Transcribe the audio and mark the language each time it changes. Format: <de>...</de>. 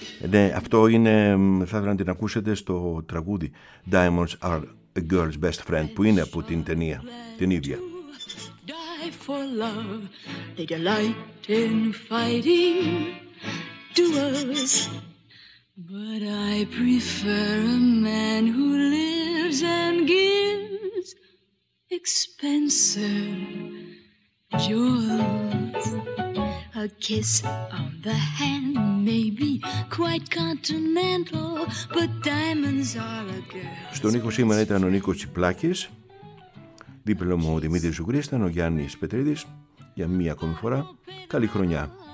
<el>Ναι, αυτό είναι, θα ήθελα να την ακούσετε στο τραγούδι Diamonds Are a Girl's Best Friend, που είναι από την ταινία την ίδια.</el> <en>Die for love, they delight in fighting duels, but I prefer a man who lives and gives expensive jewels. A kiss on the hand may be quite continental, but diamonds are a girl.</en> <el>Στον ήχο σήμερα ήταν ο Νίκος Τσιπλάκης, δίπλα μου ο Δημήτρης Ζουγκρής, ήταν ο Γιάννης Πετρίδης. Για μία ακόμη φορά, καλή χρονιά.</el>